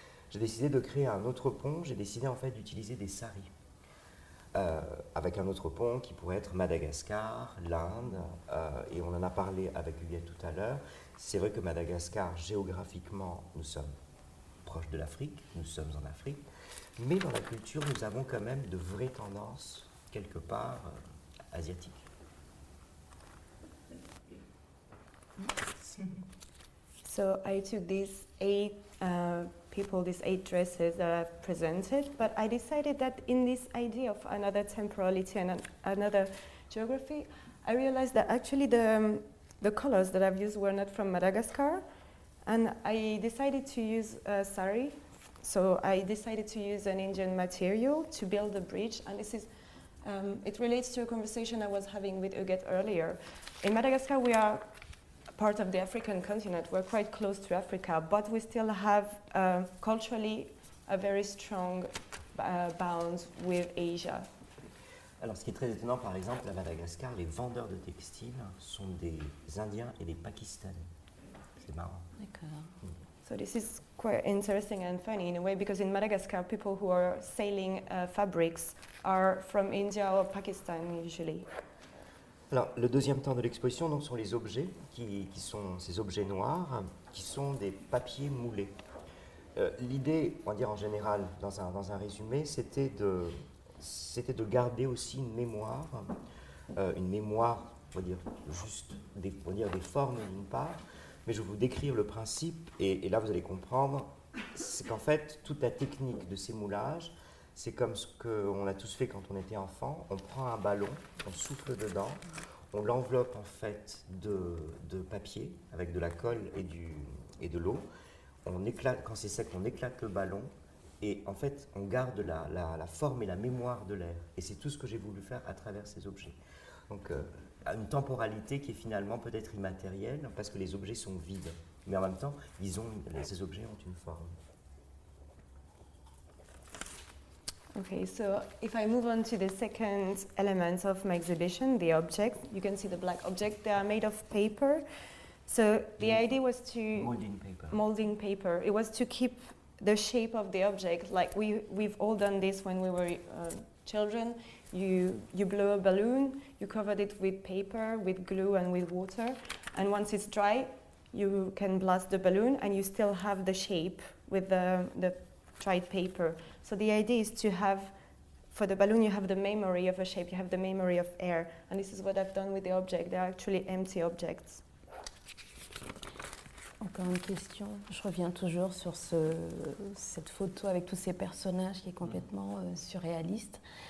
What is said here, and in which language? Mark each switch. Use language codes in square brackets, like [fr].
[fr] J'ai décidé de créer un autre pont. J'ai décidé en fait d'utiliser des saris avec un autre pont qui pourrait être Madagascar, l'Inde, et on en a parlé avec Huguette tout à l'heure. C'est vrai que Madagascar, géographiquement, nous sommes proches de l'Afrique, nous sommes en Afrique, mais dans la culture, nous avons quand même de vraies tendances, quelque part, asiatiques. [en] So I took these eight people, these eight dresses that I've presented, but I decided that in this idea of another temporality and another geography, I realized that actually the colors that I've used were not from Madagascar, and I decided to use sari. So I decided to use an Indian material to build a bridge, and this is it relates to a conversation I was having with Huguette earlier. In Madagascar, we are part of the African continent. We're quite close to Africa, but we still have culturally a very strong bounds with Asia. [fr] Alors, ce qui est très étonnant, par exemple, à Madagascar, les vendeurs de textiles sont des Indiens et des Pakistanais. C'est marrant. D'accord. [en] So this is quite interesting and funny in a way, because in Madagascar, people who are selling fabrics are from India or Pakistan usually. [fr] Alors, le deuxième temps de l'exposition, donc, sont les objets qui sont ces objets noirs, qui sont des papiers moulés. L'idée, on va dire en général, dans un résumé, c'était de garder aussi une mémoire, on va dire juste des formes d'une part. Mais je vais vous décrire le principe, et là vous allez comprendre, c'est qu'en fait, toute la technique de ces moulages, c'est comme ce qu'on a tous fait quand on était enfant. On prend un ballon, on souffle dedans, on l'enveloppe en fait de papier, avec de la colle et de l'eau. On éclate, quand c'est sec, on éclate le ballon, et en fait, on garde la forme et la mémoire de l'air. Et c'est tout ce que j'ai voulu faire à travers ces objets. Donc, une temporalité qui est finalement peut-être immatérielle parce que les objets sont vides, mais en même temps, ces objets ont une forme. [en] Okay, so if I move on to the second element of my exhibition, the object, you can see the black object. They are made of paper. So the idea was to molding paper. It was to keep the shape of the object. Like we've all done this when we were children. You blow a balloon, you covered it with paper, with glue and with water, and once it's dry, you can blast the balloon and you still have the shape with the dried paper. So the idea is to have, for the balloon, you have the memory of a shape, you have the memory of air, and this is what I've done with the object. They're actually empty objects. [fr] Encore une question. Je reviens toujours sur cette photo avec tous ces personnages qui est complètement surréaliste.